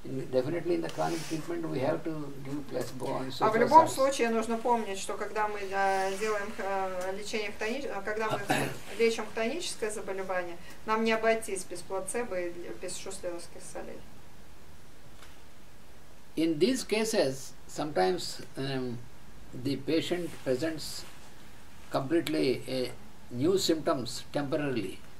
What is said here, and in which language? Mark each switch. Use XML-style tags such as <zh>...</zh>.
<en>Definitely in the chronic treatment we have to give placebo and so.</en> <ru>А в любом случае нужно помнить, что когда мы делаем лечение когда мы лечим хтоническое заболевание, нам не обойтись без плацебо и без шустеровских солей.</ru> <en>In these cases, sometimes the patient presents completely new symptoms temporarily.</en>